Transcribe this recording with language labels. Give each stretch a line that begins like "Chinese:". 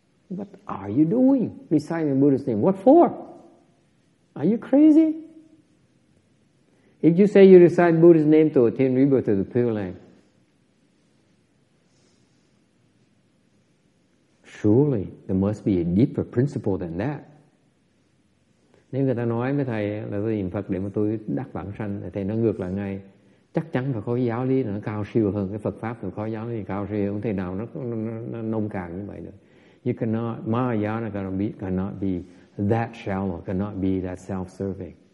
English: What are you doing reciting the Buddha's name? What for? Are you crazy? If you say you recite Buddha's name to attain rebirth of the Pure Land, surely there must be a deeper principle than that.
Vietnamese: Nếu người ta nói với thầy là tôi niệm Phật để mà tôi đắc vãng sanh thì thầy nó ngược lại ngay, chắc chắn phải có cái giáo lý nó cao siêu hơn cái Phật pháp, rồi có giáo lý cao siêu không thể nào nó nông cạn như vậy được.
English: You cannot, Mahayana cannot be that shallow, cannot be that self-serving.